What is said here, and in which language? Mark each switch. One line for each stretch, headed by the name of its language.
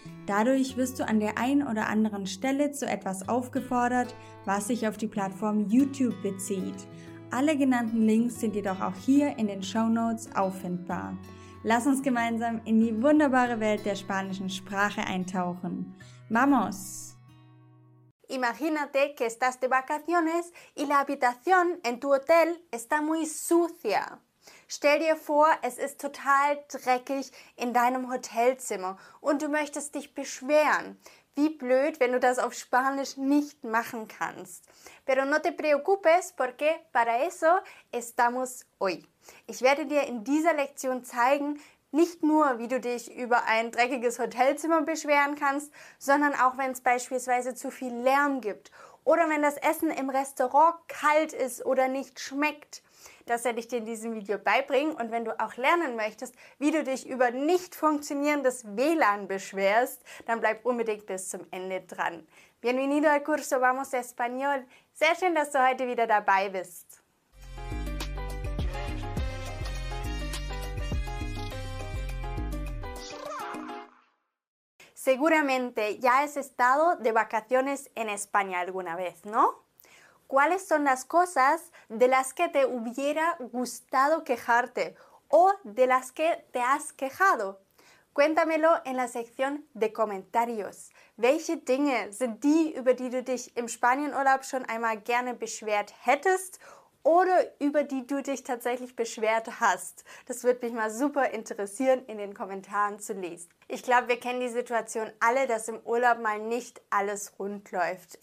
German: Dadurch wirst du an der einen oder anderen Stelle zu etwas aufgefordert, was sich auf die Plattform YouTube bezieht. Alle genannten Links sind jedoch auch hier in den Shownotes auffindbar. Lass uns gemeinsam in die wunderbare Welt der spanischen Sprache eintauchen.
Spanish: ¡Vamos! Imagínate que estás de vacaciones y la habitación en tu hotel está muy sucia.
German: Stell dir vor, es ist total dreckig in deinem Hotelzimmer und du möchtest dich beschweren. Wie blöd, wenn du das auf Spanisch nicht machen kannst.
Spanish: Pero no te preocupes, porque para eso estamos hoy.
German: Ich werde dir in dieser Lektion zeigen, nicht nur, wie du dich über ein dreckiges Hotelzimmer beschweren kannst, sondern auch, wenn es beispielsweise zu viel Lärm gibt oder wenn das Essen im Restaurant kalt ist oder nicht schmeckt. Das werde ich dir in diesem Video beibringen. Und wenn du auch lernen möchtest, wie du dich über nicht funktionierendes WLAN beschwerst, dann bleib unbedingt bis zum Ende dran.
Spanish: Bienvenido al curso Vamos Español.
German: Sehr schön, dass du heute wieder dabei bist.
Spanish: Seguramente ya has estado de vacaciones en España alguna vez, ¿no? ¿Cuáles son las cosas de las que te hubiera gustado quejarte o de las que te has quejado? Cuéntamelo en la sección de comentarios.
German: ¿Welche Dinge sind die, über die du dich im Spanienurlaub schon einmal gerne beschwert hättest oder über die du dich tatsächlich beschwert hast? Das würde mich mal super interessieren, in den Kommentaren zu lesen. Ich glaube, wir kennen die Situation alle, dass im Urlaub mal nicht alles rund läuft.